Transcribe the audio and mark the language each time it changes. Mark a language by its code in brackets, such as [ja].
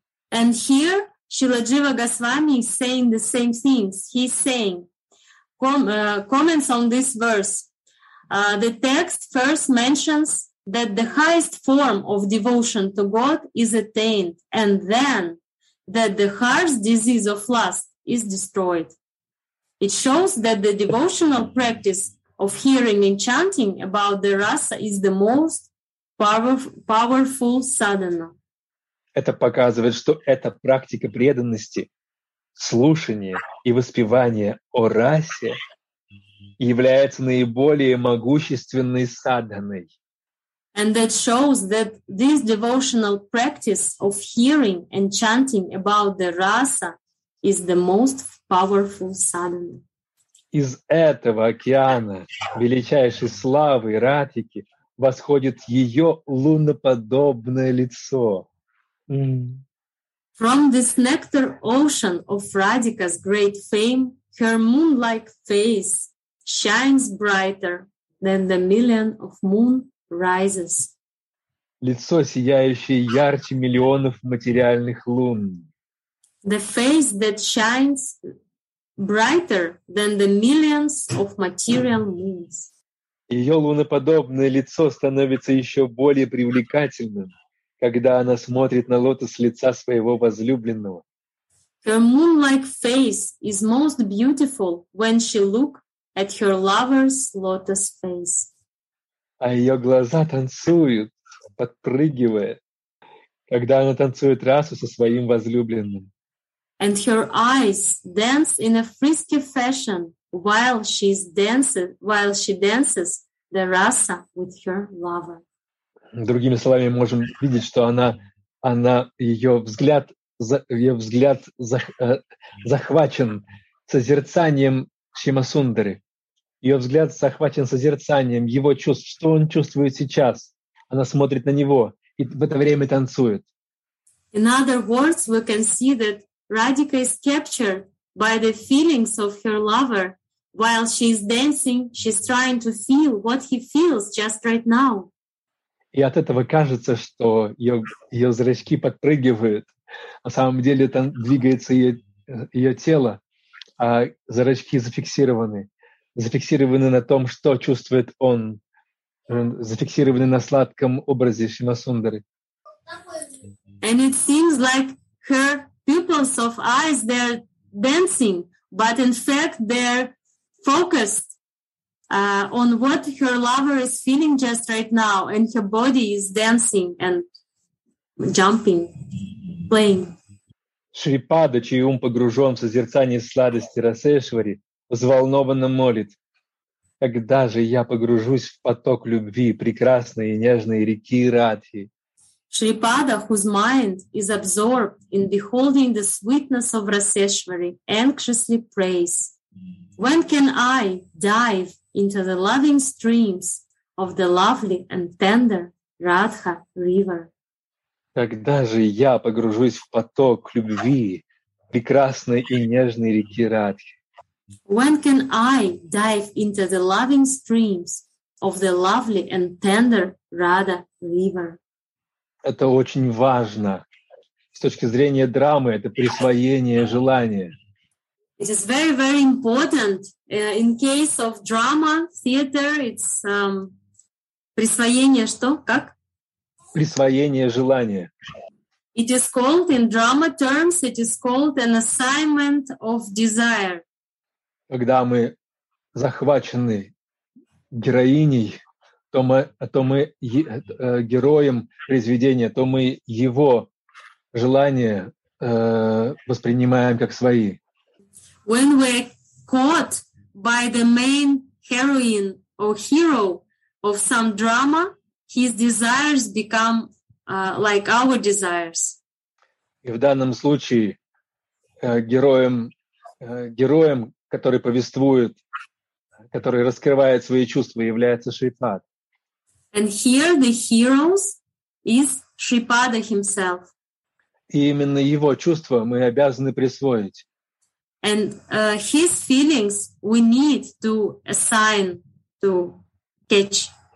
[en] And here Srila Jiva Goswami is saying the same things. He's saying, comments on this verse. The text first mentions that the highest form of devotion to God is attained, and then that the heart's disease of lust is destroyed. It shows that the devotional practice of hearing and chanting about the rasa is the most powerful sadhana. [ru] Это показывает, что эта практика преданности, слушания и воспевания о расе является наиболее могущественной садханой. [en] And that shows that this devotional practice of hearing and chanting about the rasa is the most powerful sadhana. [ru] Из этого океана величайшей славы Радхики восходит ее луноподобное лицо. [en] From this nectar ocean of Radhika's great fame, her moon-like face shines brighter than the million of moon rises. [ru] Лицо, сияющее ярче миллионов материальных лун. [en] The face that shines brighter than the millions of material moons. [ru] Ее луноподобное лицо становится еще более привлекательным, когда она смотрит на лотос лица своего возлюбленного. [en] Her moon-like face is most beautiful when she looks at her lover's lotus face. [ru] А ее глаза танцуют, подпрыгивая, когда она танцует расу со своим возлюбленным. [en] And her eyes dance in a frisky fashion while she dances the rasa with her lover. [ru] Другими словами, можем видеть, что ее взгляд захвачен созерцанием Шимасундары. Ее взгляд захвачен созерцанием его чувств. Что он чувствует сейчас? Она смотрит на него и в это время танцует. [en] In other words, we can see that Radhika is captured by the feelings of her lover. While she is dancing, she's trying to feel what he feels just right now. [ru] И от этого кажется, что ее зрачки подпрыгивают. На самом деле там двигается ее тело, а зрачки зафиксированы. Зафиксированы на том, что чувствует он. Зафиксированы на сладком образе Шимасундары. [en] And it seems like her pupils of eyes, they're dancing, but in fact they're focused on what her lover is feeling just right now, and her body is dancing and jumping, playing. [ru] Шрипада, чей ум погружен в созерцание сладости Расешвари, взволнованно молит: когда же я погружусь в поток любви прекрасной и нежной реки Радхи? [en] Shripada, whose mind is absorbed in beholding the sweetness of Raseshwari, anxiously prays, when can I dive into the loving streams of the lovely and tender Radha River? [ru] Когда же я погружусь в поток любви прекрасной и нежной реки Радхи? [en] When can I dive into the loving streams of the lovely and tender Radha River? [ru] Это очень важно. С точки зрения драмы, это присвоение желания. [en] It is very, very important in case of drama, theater, it's [ru] присвоение что? Как? Присвоение желания. [en] It is called in drama terms, it is called an assignment of desire. [ru] Когда мы захвачены героиней, то мы героем произведения, то мы его желания воспринимаем как свои. [en] When we're caught by the main heroine or hero of some drama, his desires become like our desires. [ru] И в данном случае героем, который повествует, который раскрывает свои чувства, является Шрипад. [en] And here the heroes is Shripada himself. [ru] И именно его чувства мы обязаны присвоить. [en] And his feelings we need to assign to catch.